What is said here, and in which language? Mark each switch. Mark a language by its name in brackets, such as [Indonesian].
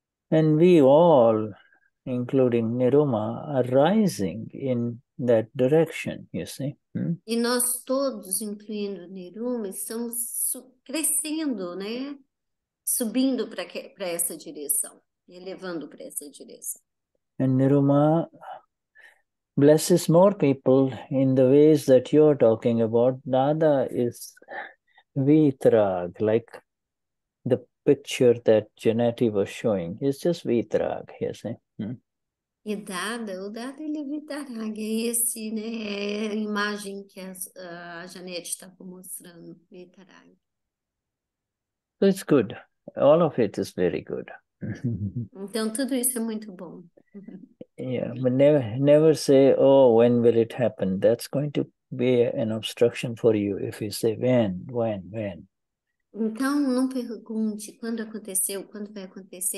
[English] And we all, including Niruma, are rising in that direction, you see. Hmm? [Portuguese] E nós todos, incluindo Niruma, estamos crescendo, né? Subindo para essa direção, elevando para essa direção. [English] And Niruma blesses more people in the ways that you're talking about. Dada is Vitrag, like the picture that Janati was showing. It's just Vitrag, you see. Hmm? [Portuguese] E Dada, o Dada ele é Vitrag, é esse, né? É a imagem que a Janete estava mostrando, Vitrag. [English] So it's good. All of it is very good. [Portuguese] Então, tudo isso é muito bom. [English] Yeah, but never say, oh, when will it happen? That's going to be an obstruction for you if you say when. [Portuguese] Então, não pergunte quando aconteceu, quando vai acontecer.